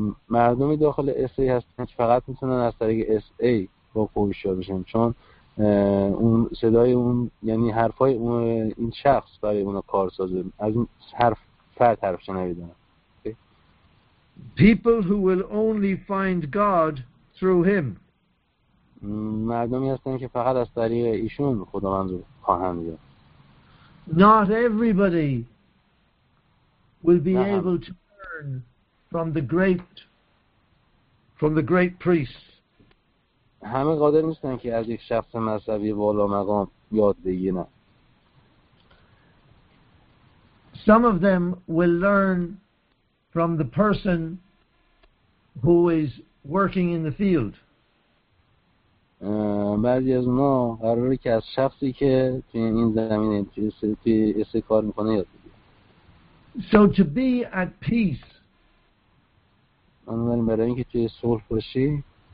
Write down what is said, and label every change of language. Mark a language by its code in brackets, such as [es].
[fa] مردمی داخل SA هستن که فقط میتونن از طریق SA با خوبش یاد بشن چون اون صدای اون یعنی حرفای اون این شخص برای اونا کار سازه از اون حرف فرد حرف شنویدن okay. [en] People who will only find God through him. [fa] مردمی هستن که فقط از طریق ایشون خداوند رو خواهند یافت. [en] Not everybody will be able to learn from the great priests. [fa] همه قادر نیستن که از یک شخص مذهبی والا مقام یاد بگیرن. [en] Some of them will learn from the person who is working in the field. [fa] بعضی از اونا قراره که از شخصی که توی این زمینه توی اسه کار میکنه یاد بگیره. [en] So to be at peace. [fa] بنابراین برای اینکه توی صلح باشی.